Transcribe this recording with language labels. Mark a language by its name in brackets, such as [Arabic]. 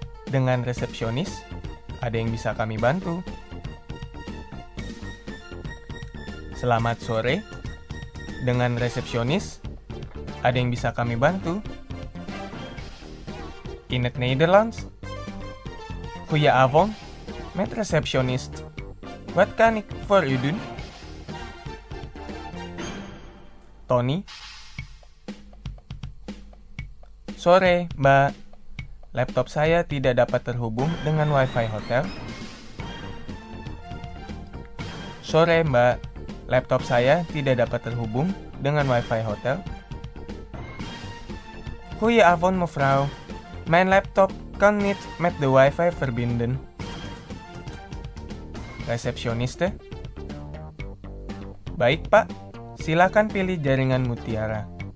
[Indonesian] Dengan resepsionis, ada yang bisa kami bantu? Selamat sore. Dengan resepsionis, ada yang bisa kami bantu? [Dutch] In het Nederlands? Goeie avond, met receptionist. Wat kan ik voor u doen? Tony? [Indonesian] Sore, mbak. Laptop saya tidak dapat terhubung dengan wifi hotel. Sore, mbak. Laptop saya tidak dapat terhubung dengan wifi hotel. [Dutch] Goeie avond, mevrouw. Mijn laptop kan niet met de wifi verbinden. [Indonesian] Receptioniste. Baik, pak. Silakan pilih jaringan mutiara.